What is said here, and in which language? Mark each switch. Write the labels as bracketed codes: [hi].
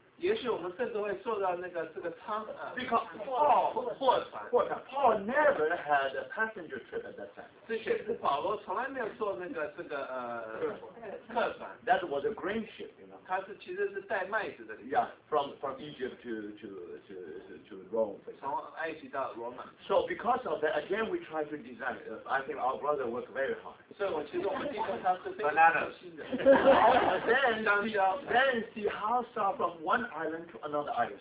[zh] 也许我们甚至会坐到那个这个舱。 [en] Because Paul [zh] 货船 [en] Paul never had a passenger trip at that time. [zh] 这确实保罗从来没有坐那个这个客船。 [en] That was a grain ship. [zh] 他是其实是带麦子的。 [en] Yeah, from Egypt to Rome. [zh] 从埃及到罗马。 [en] So because of that, again we try to design. I think our brother worked very hard. [zh] 所以我其实我们听说他是非常用心的。 [en] Then see how far from one island to another island.